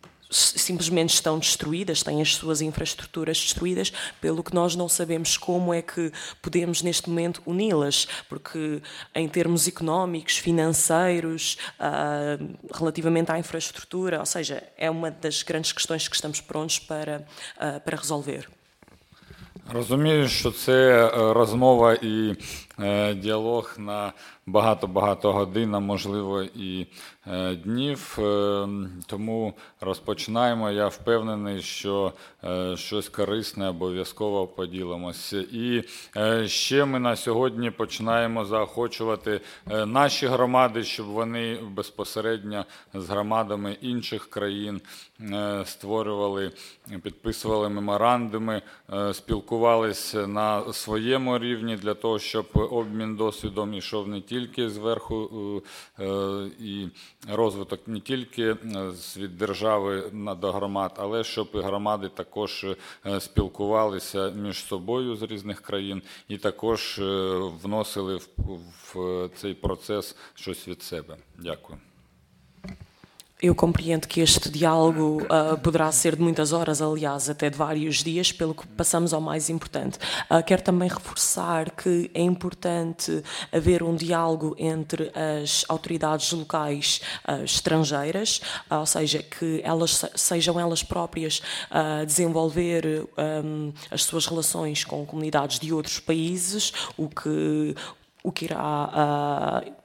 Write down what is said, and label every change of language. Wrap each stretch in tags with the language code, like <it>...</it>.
<pt>simplesmente estão destruídas, têm as suas infraestruturas destruídas, pelo que nós não sabemos como é que podemos neste momento uni-las, porque em termos económicos, financeiros, relativamente à infraestrutura, ou seja, é uma das grandes questões que estamos prontos para resolver.</pt> <uk>Розумію, що це розмова і діалог на багато-багато годин, а можливо і днів, тому розпочинаємо. Я впевнений, що щось корисне обов'язково поділимось. І ще ми на сьогодні починаємо заохочувати наші громади, щоб вони безпосередньо з громадами інших країн створювали, підписували меморандуми, спілкувалися на своєму рівні для того, щоб обмін досвідом йшов не тільки зверху і розвиток не тільки від держави до громад, але щоб і громади також спілкувалися між собою з різних країн і також вносили в цей процес щось від себе. Дякую.</uk> <pt>Eu compreendo que este diálogo poderá ser de muitas horas, aliás, até de vários dias, pelo que passamos ao mais importante. Quero também reforçar que é importante haver um diálogo entre as autoridades locais estrangeiras, ou seja, que elas sejam elas próprias a desenvolver as suas relações com comunidades de outros países, o que irá</pt>